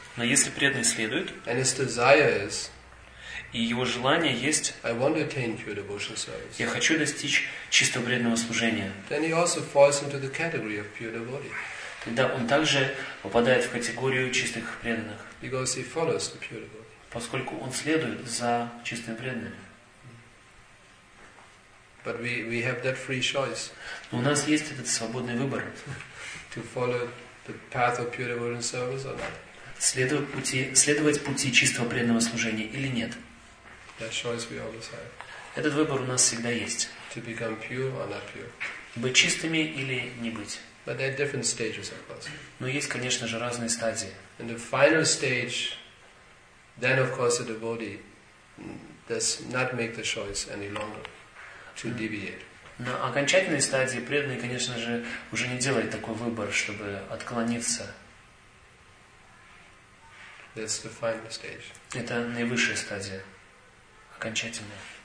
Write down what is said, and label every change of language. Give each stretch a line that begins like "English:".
Russian: но если преданный следует,
English: is,
Russian: и его желание есть,
English: I want to attain pure devotional service.
Russian: Я хочу достичь чистого преданного служения.
English: Then he also falls into the category of pure devotee.
Russian: Тогда он также попадает в категорию чистых преданных.
English: Because he follows the pure devotee.
Russian: поскольку он следует за чистыми преданными.
English: But we have that free choice.
Russian: Но у нас есть этот свободный выбор.
English: To follow the path of pure devotional service or not.
Russian: Следовать пути чистого преданного служения или нет.
English: That choice we always have.
Russian: Этот выбор у нас всегда есть.
English: To become pure or not pure.
Russian: Быть чистыми или не быть.
English: But there are different stages, of course.
Russian: Но есть, конечно же, разные стадии.
English: And the final stage, then of course the devotee does not make the choice any longer to deviate.
Russian: На окончательной стадии преданный, конечно же, уже не делает такой выбор, чтобы отклониться.
English: That's the final stage.
Russian: Это наивысшая стадия, окончательная.